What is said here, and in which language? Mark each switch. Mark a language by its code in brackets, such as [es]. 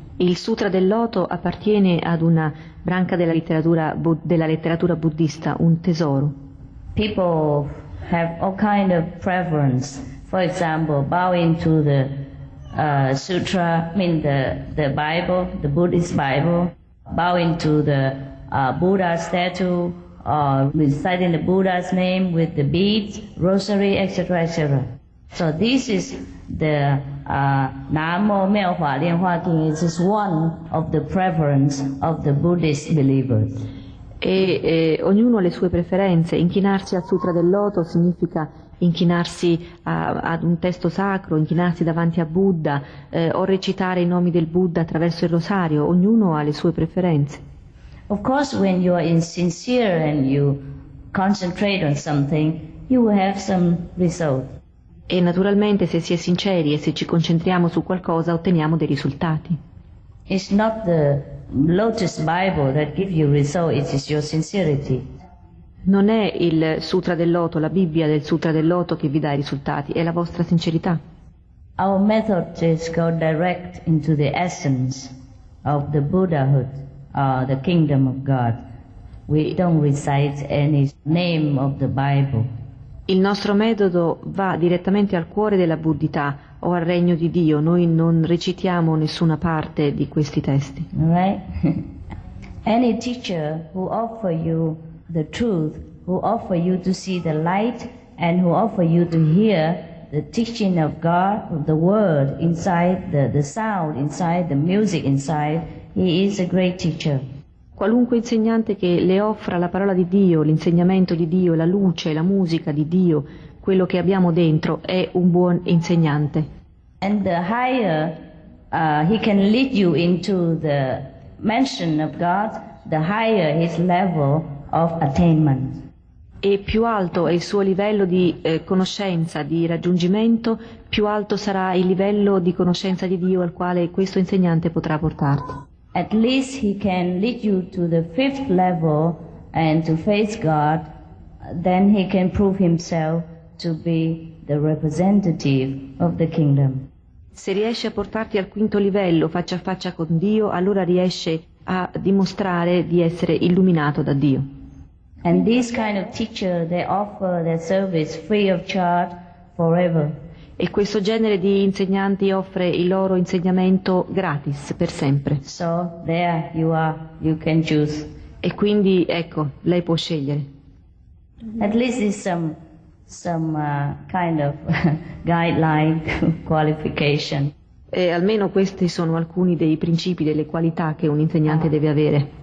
[it] Il Sutra del Loto appartiene ad una branca della letteratura buddista, un tesoro. [en] People have all kind of preference. For example, bowing to the sutra, I mean the Bible, the Buddhist Bible, bowing to the Buddha statue, or reciting the Buddha's name with the beads, rosary, etc., etc. So this is the Namo Miao Hua Lian Hua Ting. It is one of the preference of the Buddhist believers. [it] E ognuno ha le sue preferenze. Inchinarsi al Sutra del Loto significa inchinarsi ad un testo sacro, inchinarsi davanti a Buddha, o recitare i nomi del Buddha attraverso il rosario. Ognuno ha le sue preferenze. [en] Of course, when you are insincere and you concentrate on something, you will have some result. [it] E naturalmente, se si è sinceri e se ci concentriamo su qualcosa, otteniamo dei risultati. [en] It's not the Lotus Bible that gives you result, it is your sincerity. [it] Non è il Sutra del Loto, la Bibbia del Sutra del Loto che vi dà i risultati, è la vostra sincerità. [en] Our method is go direct into the essence of the Buddhahood, the kingdom of God. We don't recite any name of the Bible. [it] Il nostro metodo va direttamente al cuore della Buddhità o al regno di Dio. Noi non recitiamo nessuna parte di questi testi. [en] Right? Any teacher who offer you the truth, who offer you to see the light, and who offer you to hear the teaching of God, the word inside, the sound inside, the music inside, he is a great teacher. [it] Qualunque insegnante che le offra la parola di Dio, l'insegnamento di Dio, la luce, la musica di Dio, quello che abbiamo dentro, è un buon insegnante. [en] And the higher he can lead you into the mansion of God, the higher his level of attainment. [it] E più alto è il suo livello di conoscenza, di raggiungimento, più alto sarà il livello di conoscenza di Dio al quale questo insegnante potrà portarti. [en] At least he can lead you to the fifth level and to face God, then he can prove himself to be the representative of the kingdom. [it] Se riesce a portarti al quinto livello, faccia a faccia con Dio, allora riesce a dimostrare di essere illuminato da Dio. [en] And this kind of teacher, they offer their service free of charge forever. [it] E questo genere di insegnanti offre il loro insegnamento gratis per sempre. [en] So there you are, you can choose. [it] E quindi ecco, lei può scegliere. [en] At least it's some kind of guideline qualification. [it] E almeno questi sono alcuni dei principi, delle qualità che un insegnante deve avere.